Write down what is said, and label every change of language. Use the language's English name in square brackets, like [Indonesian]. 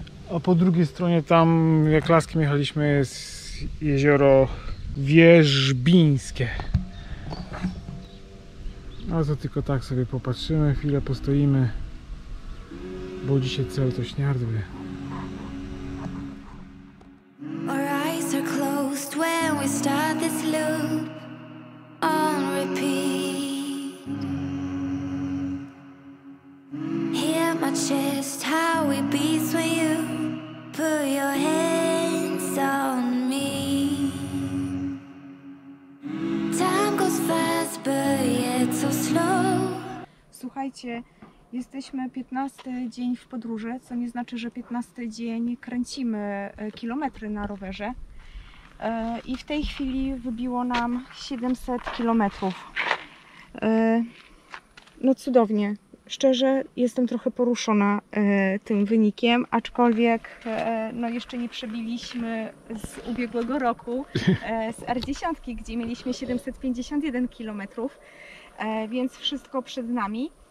[Polish] A po drugiej stronie tam, jak laskiem jechaliśmy, jest jezioro Wierzbińskie. No to tylko tak sobie popatrzymy, chwilę postoimy, bo dzisiaj cel to śniardły. [English] Our eyes are closed when we start this loop. On repeat. Hear my chest, how it beats when you put your hands on me. Time goes fast, but yet so slow. [Polish] Słuchajcie, jesteśmy 15 dzień w podróży, co nie znaczy, że 15 dzień kręcimy kilometry na rowerze. I w tej chwili wybiło nam 700 km. No cudownie. Szczerze jestem trochę poruszona tym wynikiem, aczkolwiek no jeszcze nie przebiliśmy z ubiegłego roku z R10, gdzie mieliśmy 751 km, więc wszystko przed nami.